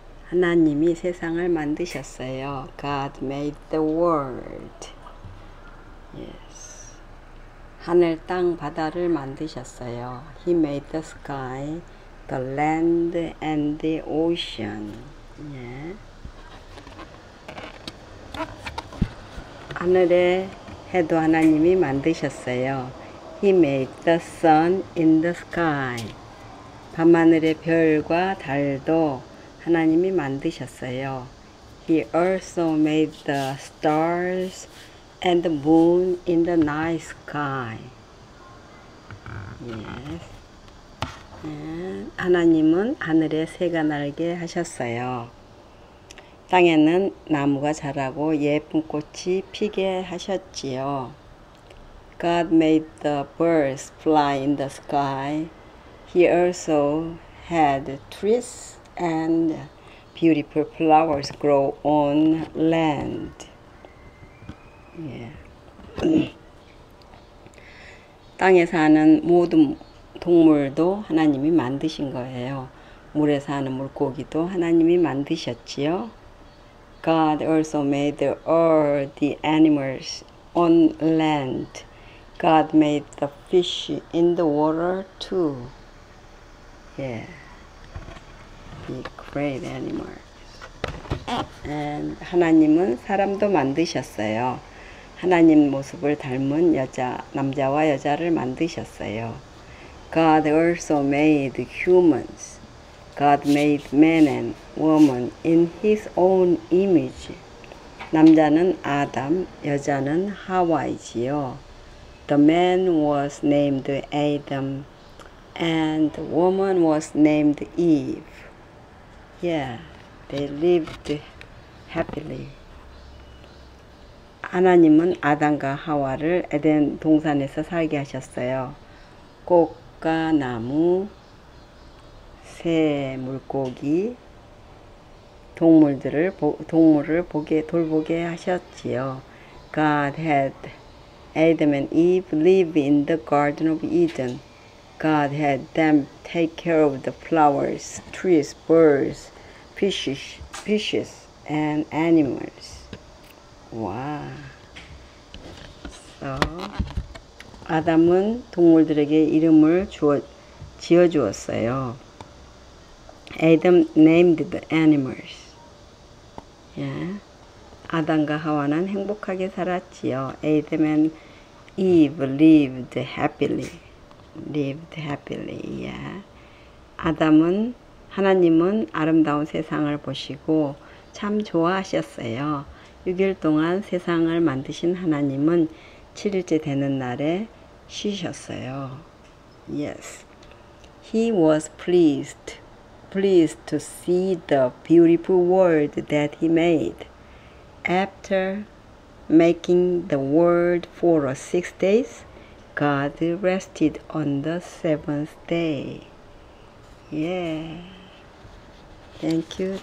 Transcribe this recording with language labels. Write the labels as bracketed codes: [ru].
[ko] 하나님이 세상을 만드셨어요. [en] God made the world. Yes. [ko] 하늘, 땅, 바다를 만드셨어요. [en] He made the sky, the land, and the ocean. Yeah. [ko] 하늘의 해도 하나님이 만드셨어요. [en] He made the sun in the sky. [ko] 밤하늘의 별과 달도 하나님이 만드셨어요. [en] He also made the stars and the moon in the night sky. Yes. And [ko] 하나님은 하늘에 새가 날게 하셨어요. 땅에는 나무가 자라고 예쁜 꽃이 피게 하셨지요. [en] God made the birds fly in the sky. He also had trees and beautiful flowers grow on land. Yeah. [ko] 땅에 사는 모든 동물도 하나님이 만드신 거예요. 물에 사는 물고기도 하나님이 만드셨지요. [en] God also made all the animals on land. God made the fish in the water too. Yeah. Great animals. And [ko] 하나님은 사람도 만드셨어요. 하나님 모습을 닮은 여자, 남자와 여자를 만드셨어요. [en] God also made humans. God made man and woman in his own image. [ko] 남자는 아담, 여자는 하와이지요. [en] The man was named Adam and the woman was named Eve. Yeah, they lived happily. [ko] 하나님은 아담과 하와를 에덴 동산에서 살게 하셨어요. 꽃과 나무, 새 물고기, 동물을 돌보게 하셨지요. [en] God had Adam and Eve live in the Garden of Eden. God had them take care of the flowers, trees, birds, fishes and animals. Wow. So, [ko] 아담은 동물들에게 이름을 지어주었어요. [en] Adam named the animals. Yeah. [ko] 아담과 하와는 행복하게 살았지요. [en] Adam and Eve lived happily. Yeah. [ko] 아담은 하나님은 아름다운 세상을 보시고 참 좋아하셨어요. 6일 동안 세상을 만드신 하나님은 7일째 되는 날에 쉬셨어요. [en] Yes. He was pleased to see the beautiful world that he made. After making the world for 6 days, God rested on the seventh day. Yeah. Thank you.